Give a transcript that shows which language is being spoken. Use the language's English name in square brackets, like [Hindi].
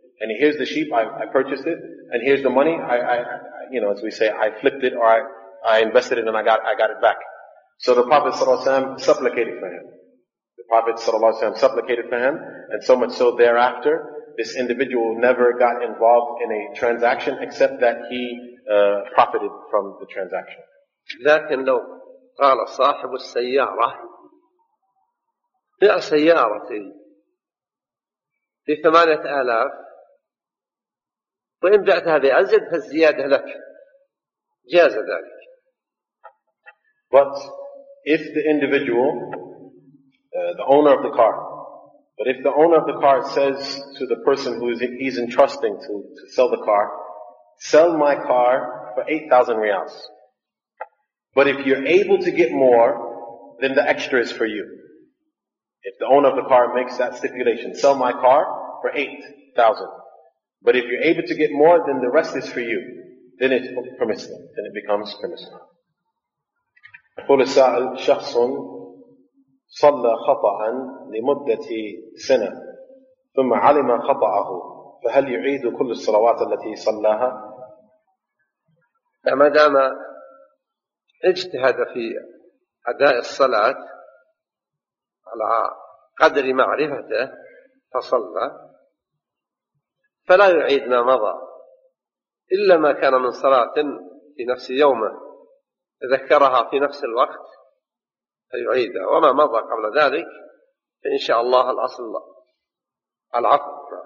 [English] And here's the sheep, I purchased it, and here's the money, I flipped it or I invested it and I got it back. So the Prophet sallallahu alaihi wasallam supplicated for him. The Prophet sallallahu alaihi wasallam supplicated for him, and so much so thereafter, this individual never got involved in a transaction except that he profited from the transaction. [Arabic] لكن لو قال صاحب السيارة باع سيارتي ب8,000 وإن بعتها بأزيد فالزيادة لك جاز ذلك. [English] But if the individual, the owner of the car, but if the owner of the car says to the person who he's entrusting to sell the car, sell my car for 8,000 riyals. But if you're able to get more, then the extra is for you. If the owner of the car makes that stipulation, sell my car for 8,000. But if you're able to get more, then the rest is for you. Then it's permissible. Then it becomes permissible. [Arabic] يقول السائل شخص صلى خطأ لمدة سنة ثم علم خطأه فهل يعيد كل الصلوات التي صلاها؟ ما دام اجتهد في أداء الصلاة على قدر معرفته فصلى فلا يعيد ما مضى إلا ما كان من صلاة في نفس يومه ذكرها في نفس الوقت فيعيدها وما مضى قبل ذلك فإن شاء الله الأصل العفو.